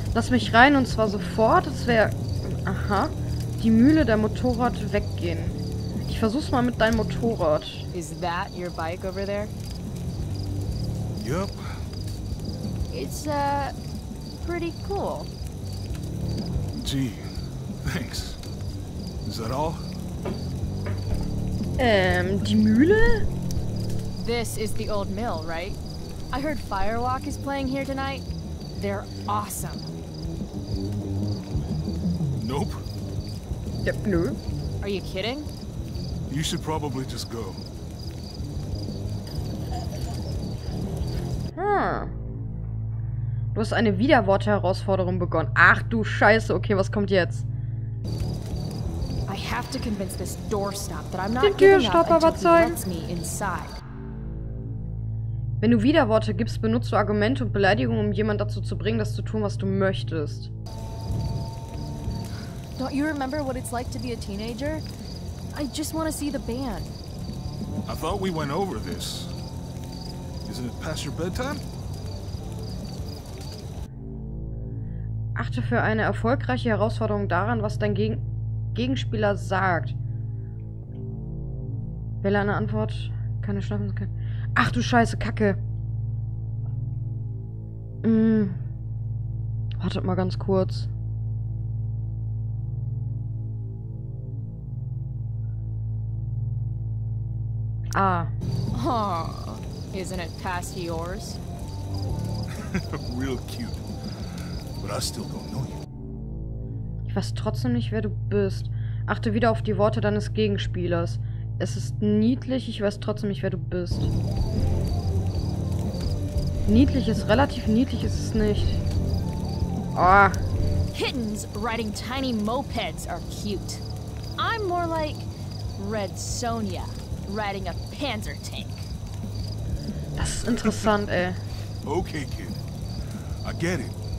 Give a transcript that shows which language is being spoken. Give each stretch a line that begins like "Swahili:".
German: Lass mich rein und zwar sofort. Das wäre. Aha. Die Mühle der Motorrad weggehen. Ich versuch's mal mit deinem Motorrad.
English: Is that your bike over there? Yep. It's, pretty cool. Gee, thanks. Is that all?
German: Die Mühle?
English: This is the old mill, right? I heard Firewalk is playing here tonight. They're awesome. Nope. Yep, no. Are you kidding? You should probably just go.
German: Du hast eine Widerwort-Herausforderung begonnen. Ach du Scheiße, okay, was kommt jetzt?
English: I have to convince this doorstop that I'm not giving up until he lets me inside.
German: Den Türstopper überzeugen. Wenn du Widerworte gibst, benutzt du Argumente und Beleidigungen, um jemanden dazu zu bringen, das zu tun, was du möchtest.
English: Don't you remember what it's like to be a teenager? I just want to see the band. I thought we went over this. Isn't it past your bedtime?
German: Achte für eine erfolgreiche Herausforderung daran, was dein Gegenspieler sagt. Wähle eine Antwort. Keine Schlafen. Ach du Scheiße, Kacke. Wartet mal ganz kurz. Ah.
English: Oh, isn't it past yours? Real cute. But I still don't know you.
German: Ich weiß trotzdem nicht, wer du bist. Achte wieder auf die Worte deines Gegenspielers. Es ist niedlich, ich weiß trotzdem nicht, wer du bist. Niedlich ist relativ niedlich, ist es nicht. Ah.
English: Kittens riding tiny mopeds are cute. I'm more like Red Sonja riding a panzer tank.
German: Das ist interessant, ey.
English: Okay, kid. I get it.